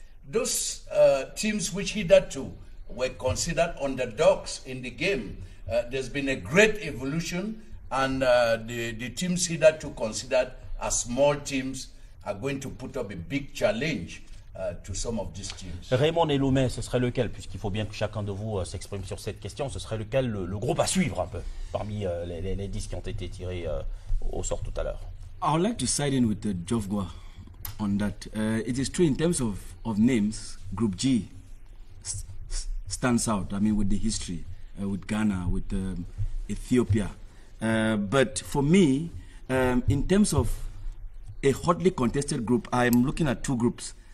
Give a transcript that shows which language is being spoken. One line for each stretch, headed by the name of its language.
English: Those teams which hitherto were considered underdogs in the game, there's been a great evolution, and the teams hitherto considered as small teams are going to put up a big challenge to some of these teams.
French: Raymond et Loumet, ce serait lequel, puisqu'il faut bien que chacun de vous s'exprime sur cette question, ce serait lequel le groupe à suivre un peu parmi les 10 qui ont été tirés au sort tout à l'heure?
English: I would like to side in with Geoff Ngwa on that. It is true in terms of names, Group G stands out, I mean, with the history. With Ghana, with Ethiopia. But for me, in terms of a hotly contested group, I'm looking at two groups.